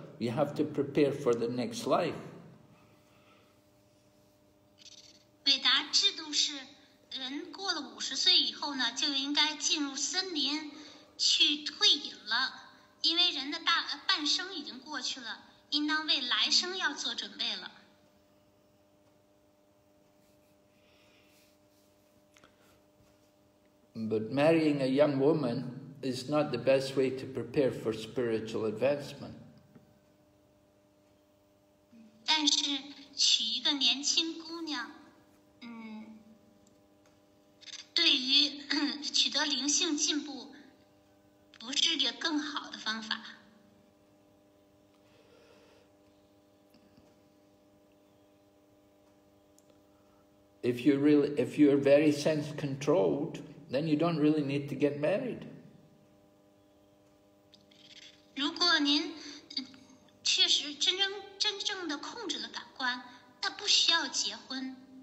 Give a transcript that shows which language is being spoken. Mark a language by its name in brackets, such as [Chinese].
[English] You have to prepare for the next life. [Chinese] Veda 制度是人过了50岁以后呢，就应该进入森林去退隐了。因为人的半生已经过去了，应当为来生要做准备了。 [English] But marrying a young woman is not the best way to prepare for spiritual advancement. [Chinese] 但是娶一个年轻姑娘，对于取得灵性进步不是一个更好的方法。 [English] If you're very sense controlled, then you don't really need to get married. [Chinese] 如果您确实真正的控制了感官，那不需要结婚。